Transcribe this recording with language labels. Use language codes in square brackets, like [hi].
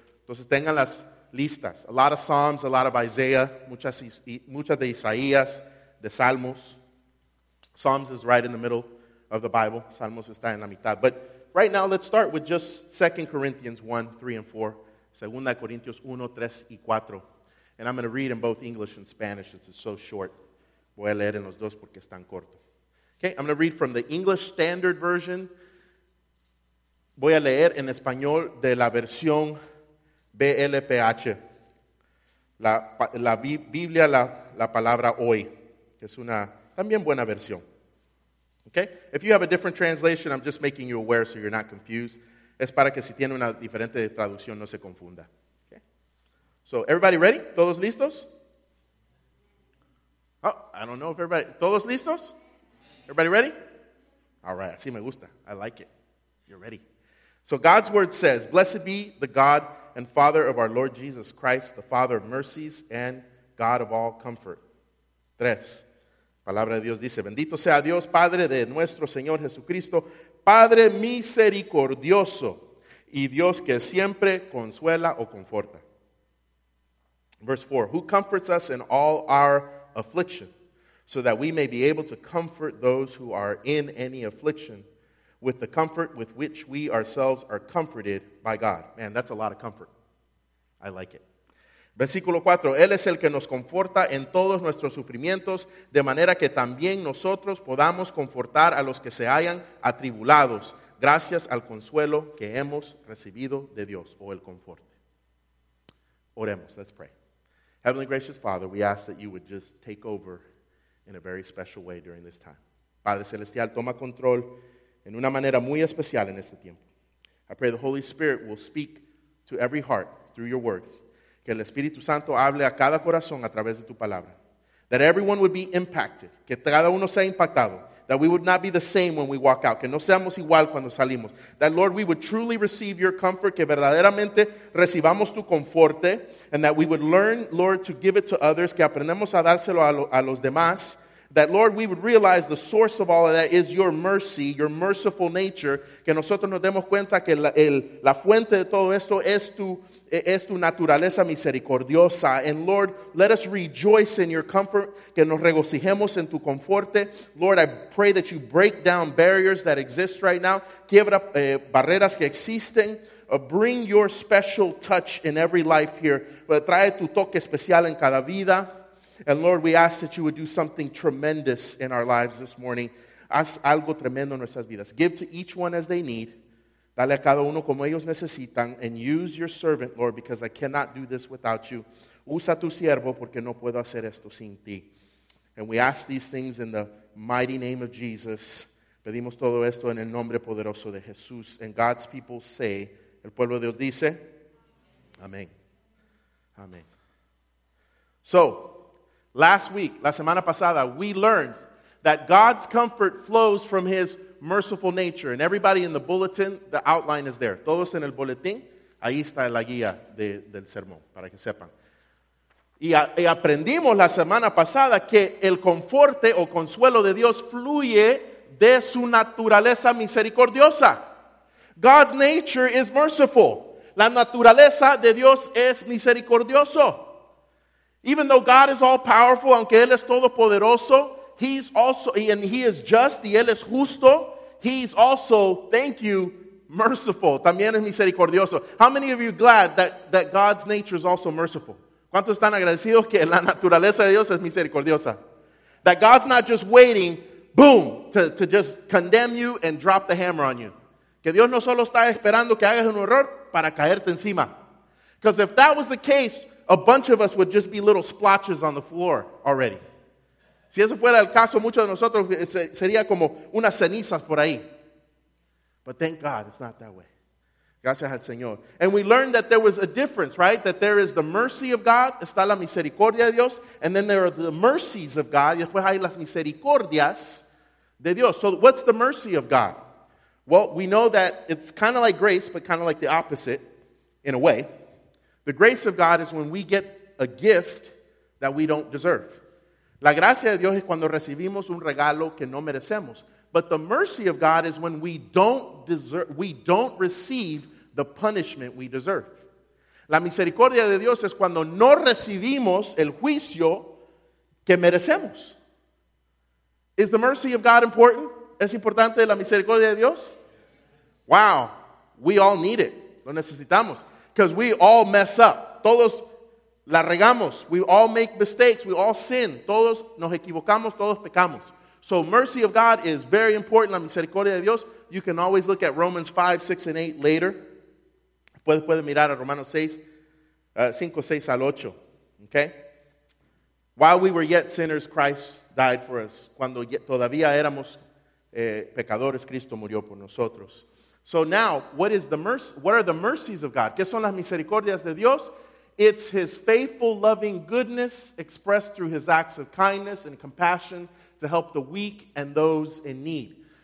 [es] Entonces tengan las listas. [en] A lot of Psalms, a lot of Isaiah, [es] muchas de Isaías, de Salmos. [en] Psalms is right in the middle of the Bible. [es] Salmos está en la mitad. [en] But right now, let's start with just 2 Corinthians 1, 3 and 4. [es] 2 Corintios 1, 3 y 4. [en] And I'm going to read in both English and Spanish since it's so short. [es] Voy a leer en los dos porque están cortos. [en] Okay, I'm going to read from the English Standard Version. [es] Voy a leer en español de la versión BLPH. La Biblia, la palabra hoy, que es una también buena versión. [en] Okay? If you have a different translation, I'm just making you aware so you're not confused. [es] Es para que si tiene una diferente traducción no se confunda. [en] Okay? So, everybody ready? [es] ¿Todos listos? [en] Oh, I don't know if everybody... [es] ¿Todos listos? [en] Everybody ready? All right, [es] así me gusta. [en] I like it. You're ready. So, God's word says, "Blessed be the God and Father of our Lord Jesus Christ, the Father of mercies and God of all comfort." [es] Tres. Palabra de Dios dice, bendito sea Dios, Padre de nuestro Señor Jesucristo, Padre misericordioso y Dios que siempre consuela o conforta. [en] Verse 4, who comforts us in all our affliction, so that we may be able to comfort those who are in any affliction with the comfort with which we ourselves are comforted by God. Man, that's a lot of comfort. I like it. [es] Versículo 4, Él es el que nos conforta en todos nuestros sufrimientos, de manera que también nosotros podamos confortar a los que se hayan atribulados, gracias al consuelo que hemos recibido de Dios, o el conforte. Oremos, [en] let's pray. Heavenly gracious Father, we ask that you would just take over in a very special way during this time. [es] Padre Celestial, toma control en una manera muy especial en este tiempo. [en] I pray the Holy Spirit will speak to every heart through your word. [es] Que el Espíritu Santo hable a cada corazón a través de tu palabra. [en] That everyone would be impacted. [es] Que cada uno sea impactado. [en] That we would not be the same when we walk out. [es] Que no seamos igual cuando salimos. [en] That, Lord, we would truly receive your comfort. [es] Que verdaderamente recibamos tu conforte. [en] And that we would learn, Lord, to give it to others. [es] Que aprendamos a dárselo a los demás. [en] That, Lord, we would realize the source of all of that is your mercy, your merciful nature. [es] Que nosotros nos demos cuenta que la fuente de todo esto es tu naturaleza misericordiosa. [en] And, Lord, let us rejoice in your comfort. [es] Que nos regocijemos en tu conforte. [en] Lord, I pray that you break down barriers that exist right now. [es] Quiebra barreras que existen. [en] Bring your special touch in every life here. [es] Trae tu toque especial en cada vida. [en] And Lord, we ask that you would do something tremendous in our lives this morning. [es] Haz algo tremendo en nuestras vidas. [en] Give to each one as they need. [es] Dale a cada uno como ellos necesitan. [en] And use your servant, Lord, because I cannot do this without you. [es] Usa tu siervo porque no puedo hacer esto sin ti. [en] And we ask these things in the mighty name of Jesus. [es] Pedimos todo esto en el nombre poderoso de Jesús. [en] And God's people say, [es] el pueblo de Dios dice, amén. Amén. [en] So, last week, [es] la semana pasada, [en] we learned that God's comfort flows from his merciful nature. And everybody in the bulletin, the outline is there. [es] Todos en el boletín, ahí está la guía del sermón, para que sepan. Y aprendimos la semana pasada que el conforte o consuelo de Dios fluye de su naturaleza misericordiosa. [en] God's nature is merciful. [es] La naturaleza de Dios es misericordioso. [en] Even though God is all powerful, [es] aunque Él es todopoderoso, [en] He's also, and He is just, [es] y Él es justo, [en] He's also, thank you, merciful. [es] También es misericordioso. [en] How many of you are glad that God's nature is also merciful? [es] ¿Cuántos están agradecidos que la naturaleza de Dios es misericordiosa? [en] That God's not just waiting, boom, to just condemn you and drop the hammer on you. [es] Que Dios no solo está esperando que hagas un error para caerte encima. [en] Because if that was the case, a bunch of us would just be little splotches on the floor already. [es] Si eso fuera el caso, muchos de nosotros sería como unas cenizas por ahí. [en] But thank God, it's not that way. [es] Gracias al Señor. [en] And we learned that there was a difference, right? That there is the mercy of God, [es] está la misericordia de Dios, [en] and then there are the mercies of God, [es] y después hay las misericordias de Dios. [en] So what's the mercy of God? Well, we know that it's kind of like grace, but kind of like the opposite, in a way. The grace of God is when we get a gift that we don't deserve. [es] La gracia de Dios es cuando recibimos un regalo que no merecemos. [en] But the mercy of God is when we don't deserve, we don't receive the punishment we deserve. [es] La misericordia de Dios es cuando no recibimos el juicio que merecemos. [en] Is the mercy of God important? [es] ¿Es importante la misericordia de Dios? [en] Wow, we all need it. [es] Lo necesitamos. [en] Because we all mess up. [es] Todos la regamos. [en] We all make mistakes. We all sin. [es] Todos nos equivocamos. Todos pecamos. [en] So mercy of God is very important. [es] La misericordia de Dios. [en] You can always look at Romans 5, 6, and 8 later. [es] Puede mirar a Romanos 6, 5, 6 al 8. [en] Okay? While we were yet sinners, Christ died for us. [es] Cuando todavía éramos pecadores, Cristo murió por nosotros. [en] So now, what is the mercy? What are the mercies of God? [es] ¿Qué son las misericordias de Dios? [en] It's his faithful, loving goodness expressed through his acts of kindness and compassion to help the weak and those in need.